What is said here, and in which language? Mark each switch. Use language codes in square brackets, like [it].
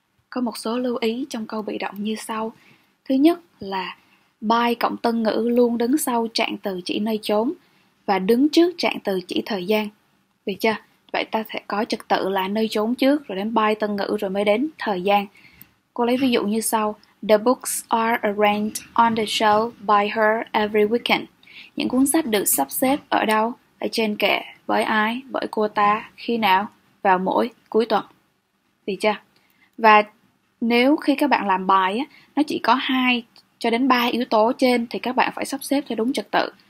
[vi] Có một số lưu ý trong câu bị động như sau. Thứ nhất là by cộng tân ngữ luôn đứng sau trạng từ chỉ nơi chốn và đứng trước trạng từ chỉ thời gian. Được chưa? Vậy ta sẽ có trật tự là nơi chốn trước rồi đến by tân ngữ rồi mới đến thời gian. Cô lấy ví dụ như sau. [en] The books are arranged on the shelf by her every weekend. [vi] Những cuốn sách được sắp xếp ở đâu? Ở trên kệ. Với ai? Với cô ta. Khi nào? Vào mỗi cuối tuần. Được chưa? Và nếu khi các bạn làm bài á, nó chỉ có 2 cho đến 3 yếu tố trên thì các bạn phải sắp xếp theo đúng trật tự.